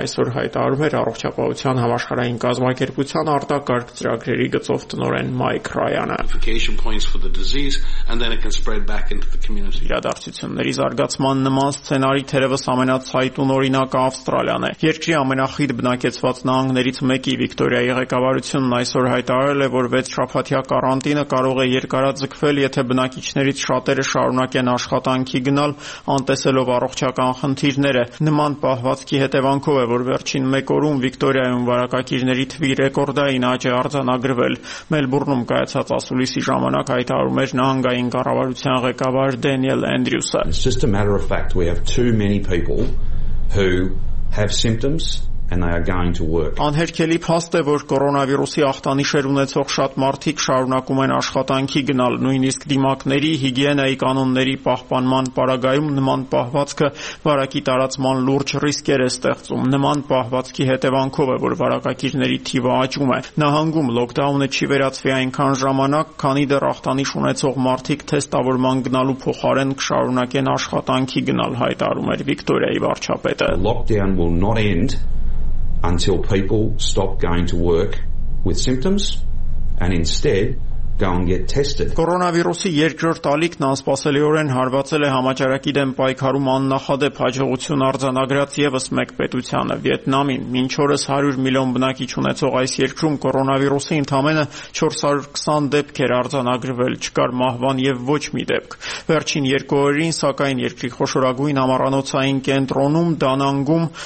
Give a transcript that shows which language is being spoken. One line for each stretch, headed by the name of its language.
Armenian: այսօր հայտարարում էր առողջապահության համաշխարհային կազմակերպության արտակարգ ծրագրերի գծով տնօրեն Մայք Ռայանը։ Իրադարձությունների զարգացման նման սցենարի թերևս ամենացայտուն օրինակը Ավստրալիան է։ Երկրի ամենախիտ բնակեցված նահանգներից մեկի Վիկտորիայի ղեկավարությունն այսօր հայտարարել է, որ 6-շաբաթյա կարանտինը կարող է երկարաձգվել, եթե բնակիչներից շատերը շարունակեն աշխատանքի գնալ, անտեսելով առողջական խնդիրները։ Նման պահվածքի հետևանքով է, որ վերջին մեկ օրում Վիկտորիայում վարակակիրների թվի ռեկորդային աճ է արձանագրվել։ Մելբուրնում կայացած ասուլիսի ժամանակ հայտարարում էր նահանգային կառավարության ղեկավար Դենիել Անդրյուսը։
English: It's just a matter of fact we have too many people who have symptoms and they are going to work.
Armenian: Անհերքելի փաստ է, որ կորոնավիրուսի ախտանիշեր ունեցող շատ մարդիկ շարունակում են աշխատանքի գնալ, նույնիսկ դիմակների հիգիենայի կանոնների պահպանման պարագայում նման պահվածքը վարակի տարածման լուրջ ռիսկեր է ստեղծում։ Նման պահվածքի հետևանքով է, որ վարակակիրների թիվը աճում է։ Նահանգում լոկդաունը չի վերածվի այնքան ժամանակ, քանի դեռ ախտանիշ ունեցող մարդիկ թեստավորման գնալու փոխարեն կշարունակեն աշխատանքի գնալ, հայտարարում էր Վիկտորիայի վարչապետը։
English: Lockdown will not end until people stop going to work with symptoms and instead go and get tested.
Armenian: Կորոնավիրուսի երկրորդ ալիքն անսպասելիորեն հարվածել է համաճարակի դեմ պայքարում աննախադեպ հաջողություն արձանագրած եւս մեկ պետությանը՝ Վիետնամին։ Մինչ օրս 100 միլիոն բնակիչ ունեցող այս երկրում կորոնավիրուսի ընդամենը 420 դեպք էր արձանագրվել, չկար մահվան եւ ոչ մի դեպք։ Վերջին երկու օրին, սակայն, երկրի խոշորագույն ամառանոցային կենտրոնում Դանանգում